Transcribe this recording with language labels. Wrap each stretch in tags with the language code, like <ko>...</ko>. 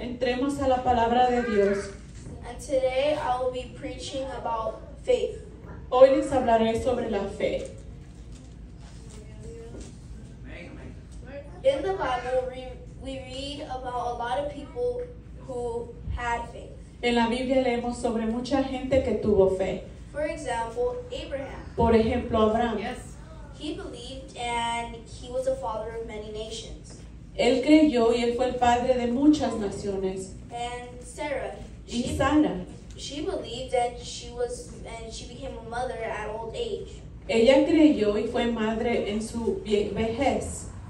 <es>Entremos a la palabra de Dios.</es> <en>And today I will be preaching about faith.</en> <es>Hoy les hablaré sobre la fe.</es> <en>In the Bible, we read about a lot of people who had faith.</en> <es>En la Biblia leemos sobre mucha gente que tuvo fe.</es> <en>For example, Abraham.</en> <es>Por ejemplo, Abraham.</es> <en>Yes. He believed and he was the father of many nations.</en> <es>Él creyó y él fue el padre de muchas naciones.</es> <en>And Sarah.</en> <es>Y Sara.</es> <en>She believed and she became a mother at old age.</en> <es>Ella creyó y fue madre en su vejez.</es>